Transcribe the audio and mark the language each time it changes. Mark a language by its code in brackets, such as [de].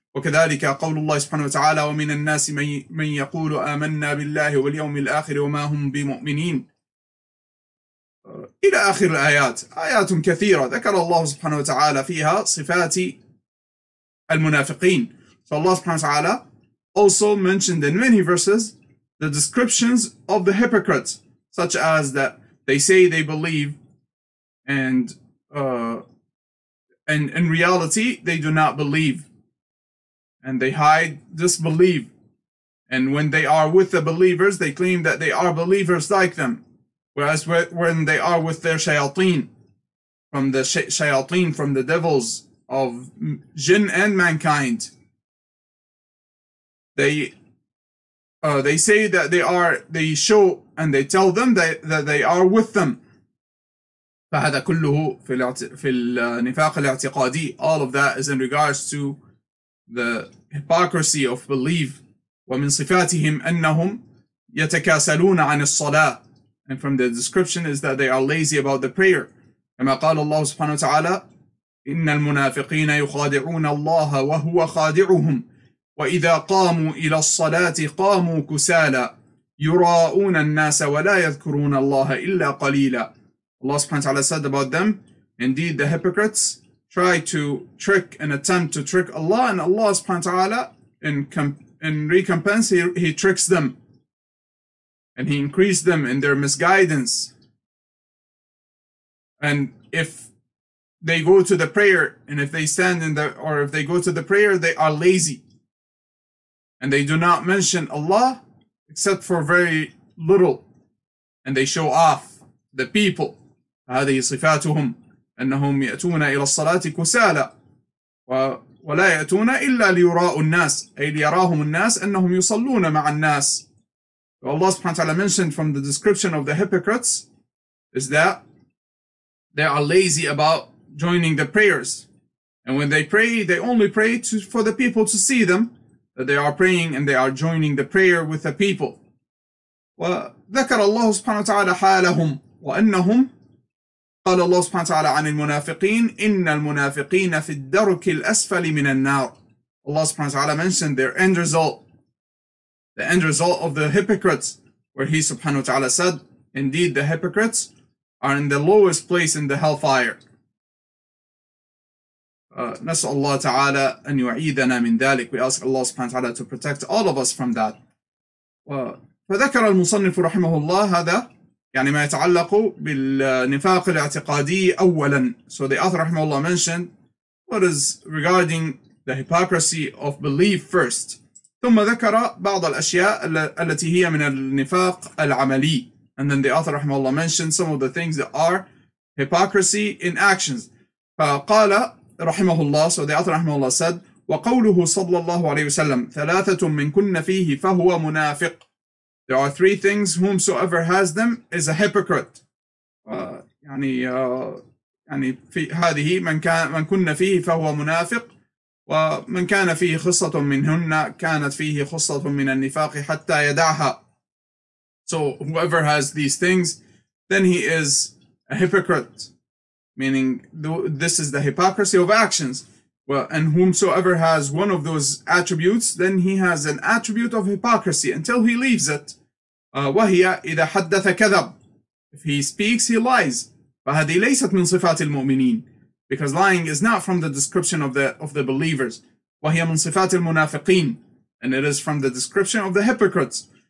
[ar] وكذلك قول الله سبحانه وتعالى ومن الناس من يقول آمنا بالله واليوم الآخر وما هم بمؤمنين إلى آخر الآيات. آيات كثيرة ذكر الله سبحانه وتعالى فيها صفات المنافقين. فالله سبحانه وتعالى [en] also mentioned in many verses the descriptions of the hypocrites, such as that they say they believe and in reality they do not believe, and they hide disbelief, and when they are with the believers they claim that they are believers like them, whereas when they are with their shayateen, from the shayateen, from the devils of jinn and mankind, they say that they show and they tell them that they are with them. [ar] فهذا كله في النفاق الاعتقادي. [en] All of that is in regards to the hypocrisy of belief. [ar] ومن صفاتهم أنهم يتكاسلون عن الصلاة. [en] And from the description is that they are lazy about the prayer. [ar] كما قال الله سبحانه وتعالى إن المنافقين يخادعون الله وهو خادعهم وإذا قاموا إلى الصلاة قاموا كسالى يراؤون الناس ولا يذكرون الله إلا قليلا. [en] Allah [ar] سبحانه وتعالى [en] said about them, indeed the hypocrites try to trick and attempt to trick Allah, and Allah سبحانه وتعالى in recompense he tricks them and he increased them in their misguidance. And if they go to the prayer and if they stand in the or if they go to the prayer they are lazy, and they do not mention Allah except for very little, and they show off the people. [ar] هذه صفاتهم أنهم يأتون إلى الصلاة كسالى ولا يأتون إلا ليراء الناس أي ليراهم الناس أنهم يصلون مع الناس. [en] Allah [ar] سبحانه وتعالى [en] mentioned from the description of the hypocrites is that they are lazy about joining the prayers, and when they only pray for the people to see them, that they are praying and they are joining the prayer with the people. [ar] وذكر الله سبحانه وتعالى حالهم وأنهم قال الله سبحانه وتعالى عن المنافقين إن المنافقين في الدرك الأسفل من النار. [en] Allah [ar] سبحانه وتعالى [en] mentioned their end result, the end result of the hypocrites, where he سبحانه وتعالى said Indeed, the hypocrites are in the lowest place in the hellfire. [ar] نسأل الله تعالى أن يعيدنا من ذلك. [en] We ask Allah [ar] سبحانه وتعالى [en] to protect all of us from that. [ar] فذكر المصنف رحمه الله هذا يعني ما يتعلق بالنفاق الاعتقادي أولا. [en] So the author [ar] رحمه الله [en] mentioned what is regarding the hypocrisy of belief first. [ar] ثم ذكر بعض الأشياء التي هي من النفاق العملي. [en] And then the author [ar] رحمه الله [en] mentioned some of the things that are hypocrisy in actions. [ar] فقال رحمه الله, [en] so the author [ar] رحمه الله [en] said, [ar] وقوله صلى الله عليه وسلم ثلاثة من كن فيه فهو منافق. [en] There are three things whomsoever has them is a hypocrite. [ar] يعني في هذه من كن فيه فهو منافق ومن كان فيه خصة منهن كانت فيه خصة من النفاق حتى يدعها. [en] So whoever has these things, then he is a hypocrite. Meaning this is the hypocrisy of actions. Well, and whomsoever has one of those attributes, then he has an attribute of hypocrisy until he leaves it. [ar] وهي إذا حدث كذب. [en] If he speaks, he lies. [ar] فهذه ليست من صفات المؤمنين. [en] Because lying is not from the description of the believers. [ar] وهي من صفات المنافقين. [en] And it is from the description of the hypocrites.